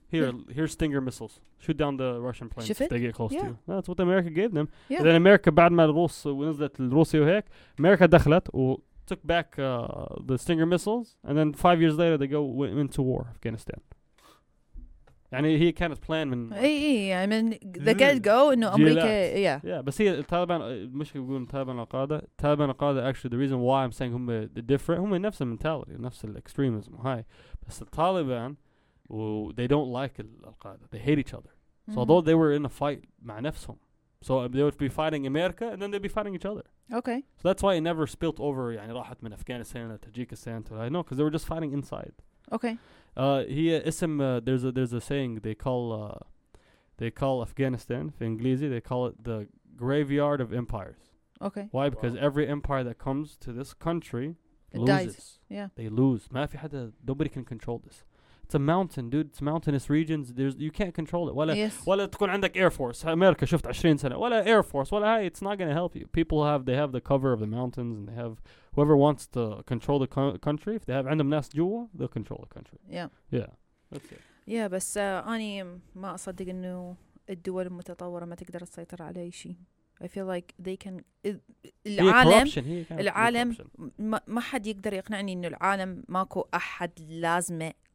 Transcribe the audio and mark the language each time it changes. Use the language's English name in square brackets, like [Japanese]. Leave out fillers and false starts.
[English] Here, here's Stinger missiles. Shoot down the Russian planes if they get close to you. That's what America gave them. Yeah. Then America, [Arabic] بعد ما الروس ونزلت الروسية وهيك, [English] America دخلت و took back the Stinger missiles. And then 5 years later, they went into war, Afghanistan. [Arabic] يعني هي كانت plan من... [English] اي, I mean, the get-go, [Arabic] إنه أمريكا... [English] Yeah, [Arabic] بس هي التالبان, مش يقولون التالبان القادة, التالبان القادة, [English] actually, the reason why I'm saying [Arabic] هم different, هم نفس المنتاليتي, نفس الإكستريميزم, هاي, بس التالبان, [English] they don't like [Arabic] القادة, [English] they hate each other. So although they were in a fight [Arabic] مع نفسهم, [English] so they would be fighting America, and then they'd be fighting each other. Okay. So that's why it never spilt over, [Arabic] يعني راحت من أفغانستان لتاجيكستان, [English] to I know, because they were just fighting inside. Okay. There's a saying they call Afghanistan in English, they call it the graveyard of empires. Okay. Why? Because every empire that comes to this country loses. Yeah. They lose. [Arabic] ما في حدا, [English] nobody can control this. It's a mountain, dude. It's mountainous regions. There's you can't control it. [Arabic] ولا تكون عندك [English] air force. America [Arabic] شفت 20 سنة. [English] ولا air force. [Arabic] ولا هاي. [English] It's not gonna help you. People have they have the cover of the mountains and they have whoever wants to control the country. If they have [Arabic] عندهم ناس جوا, [English] they'll control the country. Yeah. Yeah. That's it. [Arabic] Yeah, بس أني ما أصدق إنه الدول المتطورة ما تقدر تسيطر على أي شيء. [English] I feel like they can. [Arabic] العالم العالم ما حد يقدر يقنعني إنه العالم ماكو أحد لازمة.